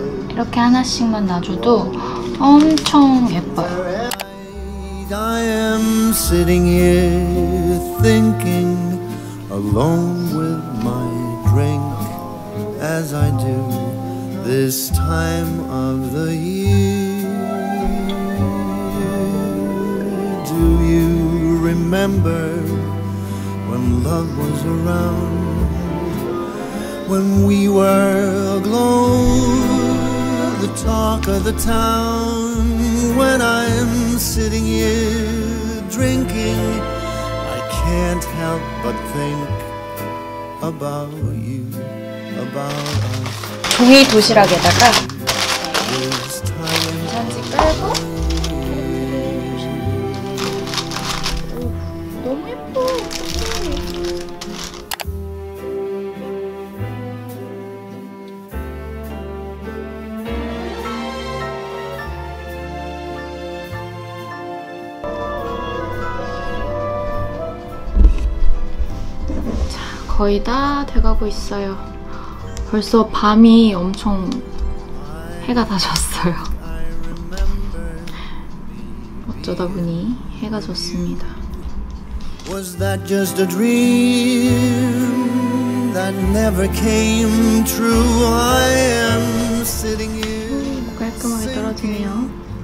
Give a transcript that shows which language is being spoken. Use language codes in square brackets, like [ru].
[ko] 이렇게 하나씩만 놔줘도 엄청 예뻐요. [en] I am sitting here thinking alone with my drink as I do this time of the year. Do you remember when love was around? When we were aglow, the talk of the town. When I'm sitting here drinking, I can't help but think about you, about us. [ko] 종이 도시락에다가 우산지 깔고. 거의 다 돼가고 있어요. 벌써 밤이 엄청 해가 다 졌어요. 어쩌다 보니 해가 졌습니다. [en] Was that just a dream that never came true? I am sitting here. [ko] 깔끔하게 떨어지네요.